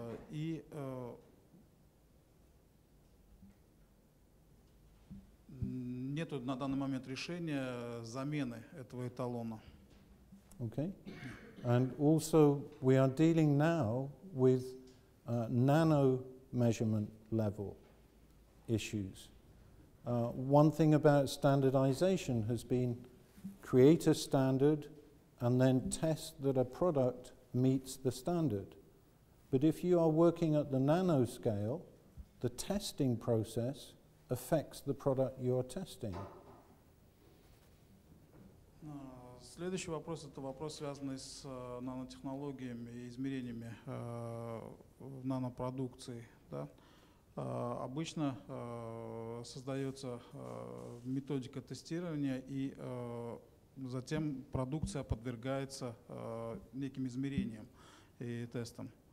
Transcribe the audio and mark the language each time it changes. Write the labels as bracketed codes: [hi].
[ru] И нет на данный момент решения замены этого эталона. [en] Okay. And also, we are dealing now with nano measurement level issues. One thing about standardization has been create a standard and then test that a product meets the standard. But if you are working at the nano scale, the testing process affects the product you are testing. [ru] Следующий вопрос – это вопрос, связанный с нанотехнологиями и измерениями нанопродукции. Да? Обычно создается методика тестирования, и затем продукция подвергается неким измерениям и тестам.